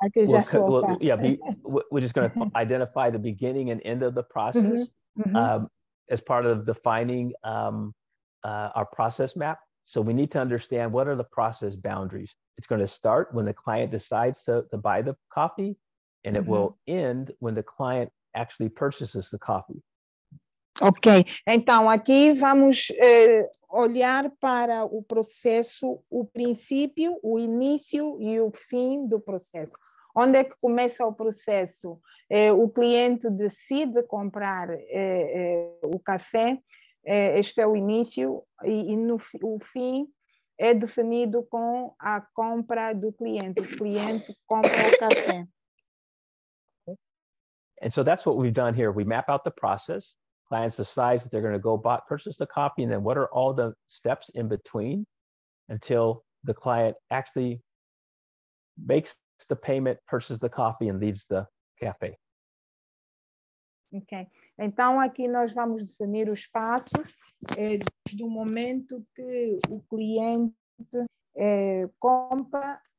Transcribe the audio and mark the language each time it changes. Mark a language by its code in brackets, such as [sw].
[en] We're just going to identify the beginning and end of the process as part of defining our process map. So we need to understand what are the process boundaries. It's going to start when the client decides to buy the coffee, and it will end when the client actually purchases the coffee. [pt] Ok, então aqui vamos olhar para o processo, o princípio, o início e o fim do processo. Onde é que começa o processo? O cliente decide comprar o café, este é o início, e no, o fim é definido com a compra do cliente. O cliente compra o café. [en] And so that's what we've done here. We map out the process. Clients decide that they're going to go buy, purchase the coffee, and then what are all the steps in between until the client actually makes the payment, purchases the coffee, and leaves the cafe. Ok. [pt] Então, aqui nós vamos definir os passos do momento que o cliente compra.